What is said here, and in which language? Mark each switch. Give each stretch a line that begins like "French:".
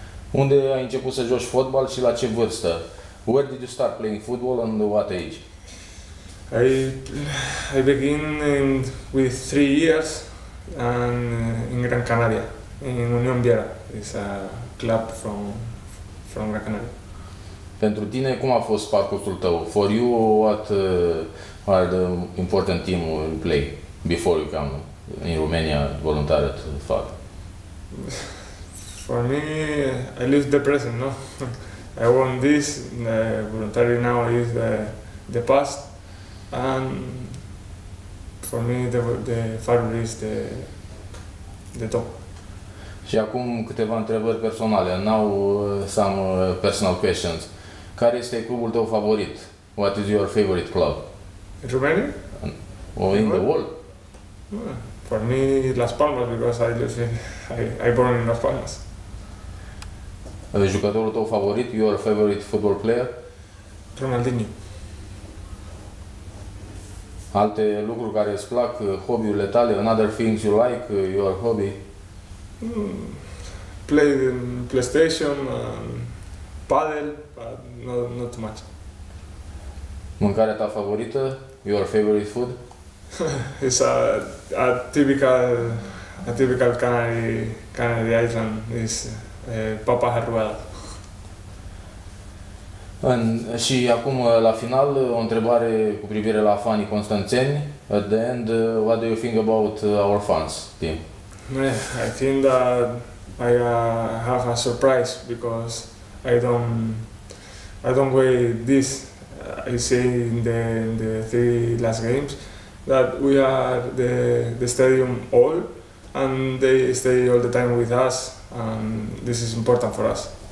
Romanian: Unde ai început să joci fotbal și la ce vârstă?
English: Where did you start playing football and what age? I begin with 3 years and in Gran Canaria, in Unión Viera. It's a club from Gran Canaria.
Romanian: Pentru tine, cum a fost parcursul tău?
English: For you, what are the important team you play before you come in Romania voluntary to FAR? For me, I live the present, no? I want this, voluntary now is the past. And for me, the Farul is the top.
Romanian: Și acum câteva întrebări personale.
English: Now some personal questions.
Romanian: Care este clubul tău favorit?
English: What is your favorite club? In Romania? Or in the world? For me, Las Palmas, because I born in Las Palmas.
Romanian: Jucătorul tău favorit?
English: Your favorite football player? Ronaldinho.
Romanian: Alte lucruri care îți plac, hobby-urile tale,
English: another things you like, your hobby? Play in PlayStation, paddle, but not too much.
Romanian: Mâncarea ta favorită,
English: your favorite food? It's a typical Canary Island, is papa herruela.
Romanian: Și acum la final o întrebare cu privire la fanii constanțeni.
English: At the end, what do you think about our fans, team? I think that I have a surprise because I don't wait this. I see in the 3 last games that we are the stadium all and they stay all the time with us and this is important for us.